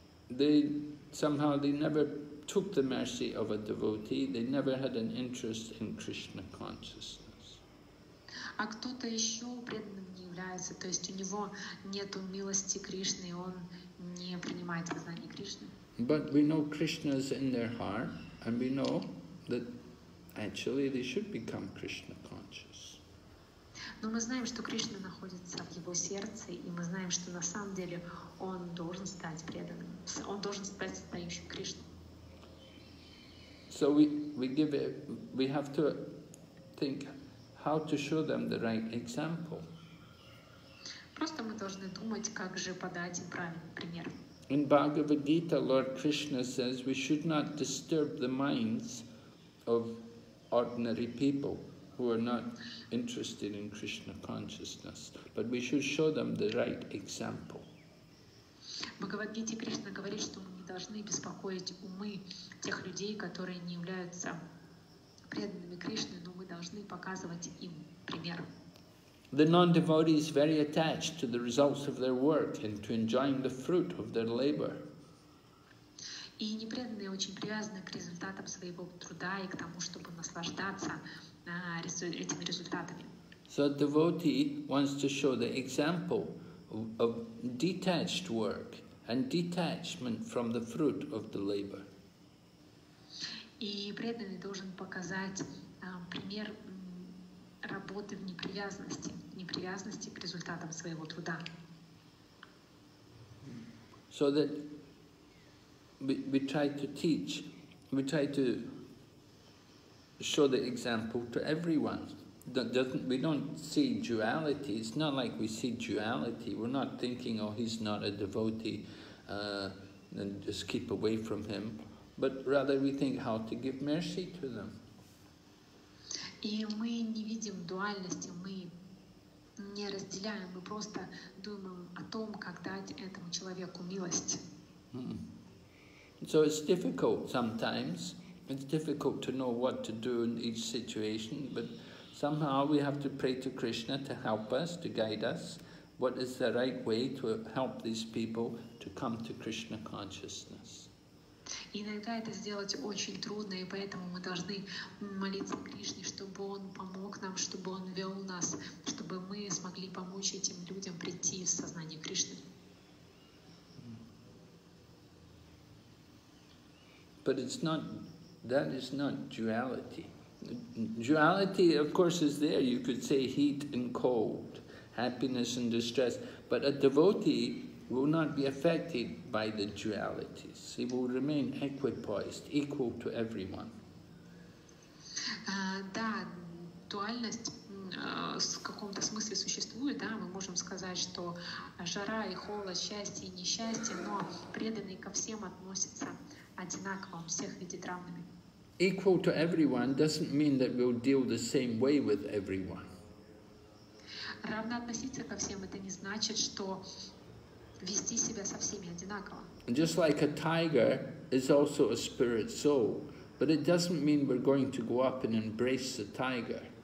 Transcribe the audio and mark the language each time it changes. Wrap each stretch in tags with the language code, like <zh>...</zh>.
<en>They somehow they never took the mercy of a devotee. They never had an interest in Krishna consciousness.</en> <ru>А кто-то еще преданным не является, то есть у него нету милости Кришны, он не принимает сознание Кришны.</ru> <en>But we know Krishna is in their heart, and we know that actually they should become Krishna conscious.</en> <ru>Но мы знаем, что Кришна находится в его сердце, и мы знаем, что на самом деле он должен стать преданным, он должен стать сознающим Кришну.</ru> <en>So we have to think how to show them the right example.</en> <ru>Просто мы должны думать, как же подать им правильный пример.</ru> <en>In Bhagavad Gita, Lord Krishna says we should not disturb the minds of ordinary people who are not interested in Krishna consciousness, but we should show them the right example.</en> <ru>В Бхагавад Гите Кришна говорит, что мы не должны беспокоить умы тех людей, которые не являются преданными Кришны, но мы должны показывать им пример.</ru> <en>The non-devotee is very attached to the results of their work and to enjoying the fruit of their labor.</en> <ru>И непреданные очень привязаны к результатам своего труда и к тому, чтобы наслаждаться этими результатами.</ru> <en>So a devotee wants to show the example of detached work and detachment from the fruit of the labor.</en> <ru>И преданный должен показать пример работы в непривязанности, непривязанности к результатам своего труда.</ru> <en>So that we try to teach, we try to show the example to everyone. We don't see duality. It's not like we see duality. We're not thinking, oh, he's not a devotee, and just keep away from him. But rather we think how to give mercy to them.</en> <ru>И мы не видим дуальности, мы не разделяем, мы просто думаем о том, как дать этому человеку милость. Mm-hmm.</ru> <en>So it's difficult sometimes. It's difficult to know what to do in each situation, but somehow we have to pray to Krishna to help us, to guide us. What is the right way to help these people to come to Krishna consciousness?</en> <ru>Иногда это сделать очень трудно, и поэтому мы должны молиться Кришне, чтобы Он помог нам, чтобы Он вел нас, чтобы мы смогли помочь этим людям прийти в сознание Кришны.</ru> <en>But it's not, that is not duality. Duality, of course, is there. You could say heat and cold, happiness and distress, but a devotee will not be affected by the dualities. He will remain equipoised, equal to everyone.</en> <ru>Да, дуальность в каком-то смысле существует, да, мы можем сказать, что жара и холод, счастье и несчастье, но преданный ко всем относится одинаково, всех видит равными.</ru> <en>Equal to everyone doesn't mean that we'll deal the same way with everyone.</en> <ru>Равно относиться ко всем, это не значит, что вести себя со всеми одинаково.</ru> <en>Just like a tiger is also a spirit soul, but it doesn't mean we're going to go up and embrace the tiger.</en>